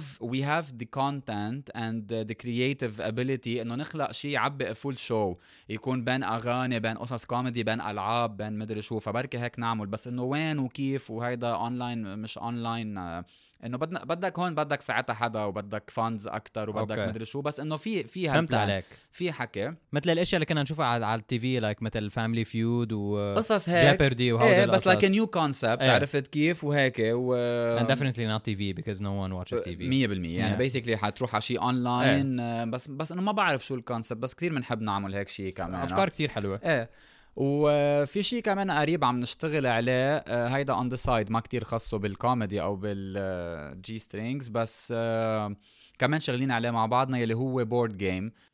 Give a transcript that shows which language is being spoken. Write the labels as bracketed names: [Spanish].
[Arabic] we have the content and the creative ability انه نخلق شيء عبي a full show يكون بين اغاني بين قصص كوميدي بين العاب بين مدري شو فبركة هيك نعمل بس انه وين وكيف وهيدا online مش online انه بدك هون بدك ساعتها حدا وبدك فاندز اكتر وبدك okay. مدري شو بس انه في فهمت عليك في حكي مثل الاشياء اللي كنا نشوفها على التي في like مثل فاميلي فيود و قصص هيك جيبردي وهودا ايه بس like a new concept ايه. عرفت كيف وهيك و [English] and definitely not TV because no one watches TV [Arabic] 100% يعني basically حتروح على شيء اونلاين ايه. بس انه ما بعرف شو الكونسبت بس كثير منحب نعمل هيك شيء كمان افكار كثير حلوه ايه وفي شيء كمان قريب عم نشتغل عليه هيدا on the side ما كتير خاصه بالكوميدي أو بالجي سترينجز بس كمان شغلين عليه مع بعضنا يلي هو بورد جيم